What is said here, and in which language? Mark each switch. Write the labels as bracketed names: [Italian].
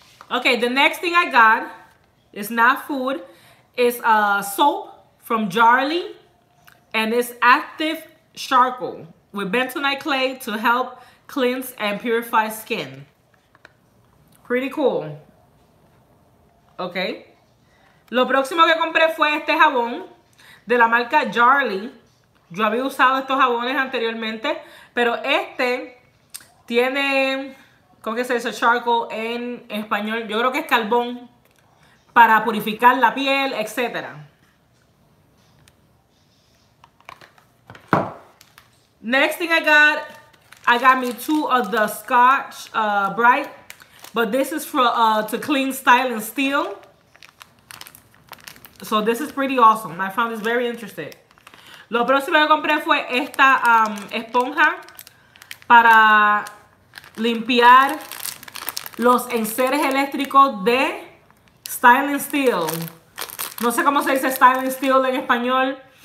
[English] Ok, the next thing I got is not food. It's a soap from Jarly. And it's active charcoal with bentonite clay to help cleanse and purify skin. Pretty cool. Ok. [Spanish] Lo próximo que compré fue este jabón de la marca Jarly. Yo había usado estos jabones anteriormente, pero este tiene, ¿cómo que se dice? Charcoal en español. Yo creo que es carbón para purificar la piel, etc. [English] Next thing I got me two of the Scotch Brite, but this is for to clean, style, and steel. So this is pretty awesome. I found this very interesting. [Spanish] Lo próximo que compré fue esta esponja para limpiar los enseres eléctricos de Styling Steel. No sé cómo se dice Styling Steel en español.